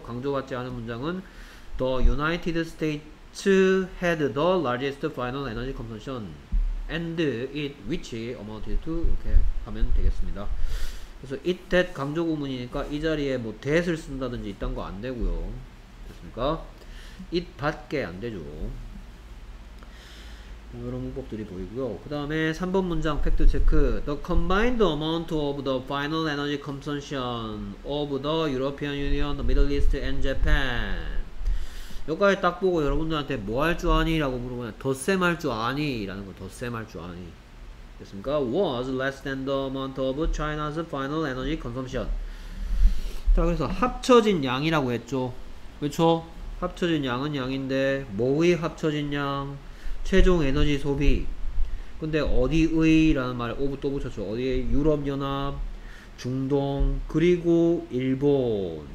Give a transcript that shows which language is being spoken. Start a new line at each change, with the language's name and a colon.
Korean: 강조받지 않은 문장은
English: the United States had the largest final energy consumption and it which amounted to
Korean: 이렇게 하면 되겠습니다. 그래서 it that 강조 구문이니까 이 자리에 뭐 that을 쓴다든지 이딴 거 안 되고요. 됐습니까? it 밖에 안 되죠. 이런 문법들이 보이고요. 그 다음에 3번 문장 팩트 체크.
English: The combined amount of the final energy consumption of the European Union, the Middle East and Japan.
Korean: 여기까지 딱 보고 여러분들한테 뭐 할 줄 아니? 라고 물어보면 더 쌤 할 줄 아니? 라는 거 더 쌤 할 줄 아니? 됐습니까?
English: was less than the amount of China's final energy consumption.
Korean: 자, 그래서 합쳐진 양이라고 했죠. 그렇죠? 합쳐진 양은 양인데 뭐의 합쳐진 양? 최종 에너지 소비. 근데 어디의 라는 말을 오브 또 붙였죠. 어디에? 유럽연합, 중동, 그리고 일본.